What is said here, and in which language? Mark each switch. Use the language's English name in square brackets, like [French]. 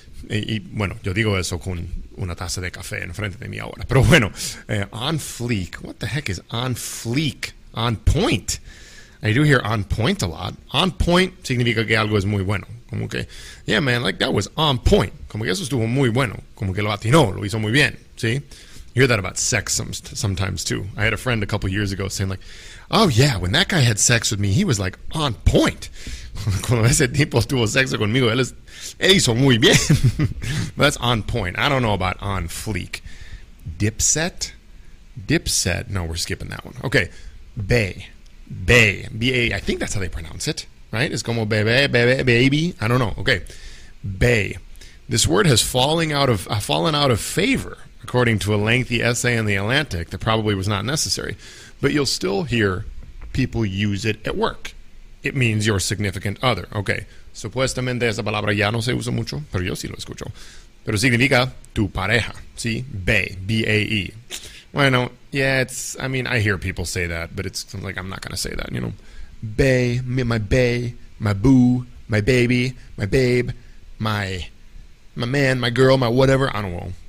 [Spanish] Y bueno, yo digo eso con una taza de café enfrente de mí ahora. Pero bueno, [English] on fleek. What the heck is on fleek? On point. I do hear on point a lot. [Spanish] On point significa que algo es muy bueno. Como que, [English] yeah, man, like that was on point. [Spanish] Como que eso estuvo muy bueno. Como que lo atinó, lo hizo muy bien, ¿sí? [English] You hear that about sex sometimes too. I had a friend a couple years ago saying like, oh yeah, when that guy had sex with me, he was like on point. [Spanish] Cuando ese tipo tuvo sexo conmigo, él hizo muy bien. [English] That's on point. I don't know about on fleek. Dipset? Dipset? No, we're skipping that one. Okay. Bay. Bay. B-A. I think that's how they pronounce it, right? It's [Spanish] como bebe, bebe, [English] baby. I don't know. Okay. Bay. This word has fallen out of favor, according to a lengthy essay in The Atlantic that probably was not necessary. But you'll still hear people use it at work. It means your significant other. Okay. [Spanish] Supuestamente esa palabra ya no se usa mucho, pero yo sí lo escucho. Pero significa tu pareja, ¿sí? Bay. B-A-E. [English] Bueno, yeah, I hear people say that, but it's like, I'm not going to say that, you know. Bay, my bay, my boo, my baby, my babe, my man, my girl, my whatever. I don't know.